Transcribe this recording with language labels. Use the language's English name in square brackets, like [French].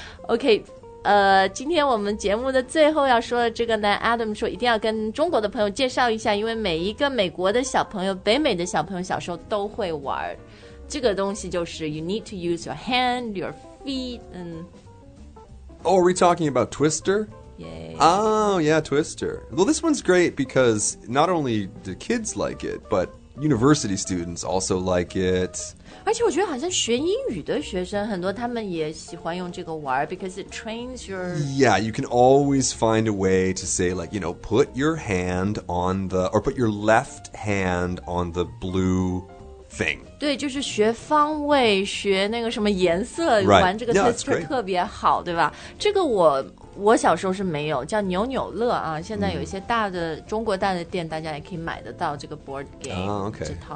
[Chinese] Okay, 今天我们节目的最后要说的这个呢 ,Adam 说一定要跟中国的朋友介绍一下，因为每一个美国的小朋友，北美的小朋友小时候都会玩。这个东西就是 [English] you need to use your hand, your feet, and... Oh, are we talking about Twister? Yay. Oh, yeah, Twister. Well, this one's great because not only do kids like it, but university students also like it. [Chinese] 而且我觉得好像学英语的学生很多他们也喜欢用这个玩 [English] because it trains your... Yeah, you can always find a way to say, like, you know, put your hand on the... or put your left hand on the blue... thing. [Chinese] 对，就是学方位，学那个什么颜色、 [English] right. [Chinese] 玩这个 Twister、 [English] yeah, [Chinese] 特别好，对吧？这个我小时候是没有，叫扭扭乐啊。现在有一些大的、中国大的店，大家也可以买得到这个 board game、 [English] oh, okay.